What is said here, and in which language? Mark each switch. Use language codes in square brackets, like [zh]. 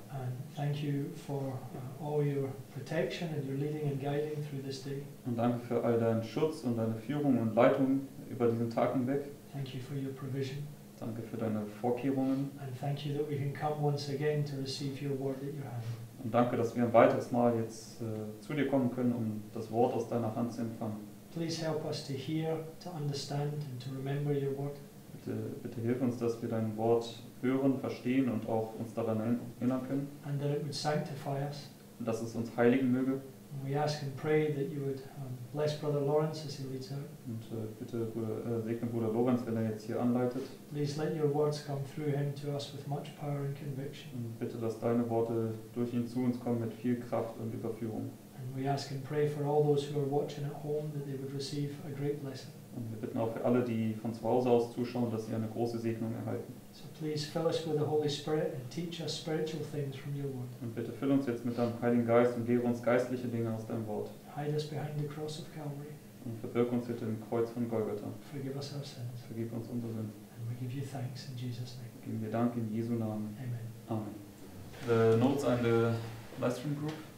[en] And thank you for all your protection and your leading and guiding through this day. [de] Und danke für all deinen Schutz und deine Führung und Leitung über diesen Tag hinweg. [en] Thank you for your provision. [de] Danke für deine Vorkehrungen. [en] And thank you that we can come once again to receive your word that you have. [de] Und danke, dass wir ein weiteres Mal jetzt zu dir kommen können, um das Wort aus deiner Hand zu empfangen. [en] Please help us to hear, to understand and to remember your word. [de] Bitte hilf uns, dass wir dein Wort hören, verstehen und auch uns daran erinnern können. [en] And that it would sanctify us. [de] Und dass es uns heiligen möge. [en] And we ask and pray that you would bless Brother Lorenz as he leads out. [de] Und bitte segne Bruder Lorenz, wenn jetzt hier anleitet. [en] Please let your words come through him to us with much power and conviction. [de] Und bitte, dass deine Worte durch ihn zu uns kommen mit viel Kraft und Überführung. [en] And we ask and pray for all those who are watching at home that they would receive a great blessing. [de] Und wir bitten auch für alle, die von zu Hause aus zuschauen, dass sie eine große Segnung erhalten. [en] So please fill us with the Holy Spirit and teach us spiritual things from your word. [de] Und bitte füll uns jetzt mit deinem Heiligen Geist und lehre uns geistliche Dinge aus deinem Wort. [en] Hide us behind the cross of Calvary. [de] Und verbirg uns hinter dem Kreuz von Golgatha. [en] Forgive us our sins. [de] Vergib uns unsere Sünden. [en] And we give you thanks in Jesus' name. [de] Geben wir Dank in Jesu Namen. [en] Amen. [de] Amen. [en] The notes are in the live stream group.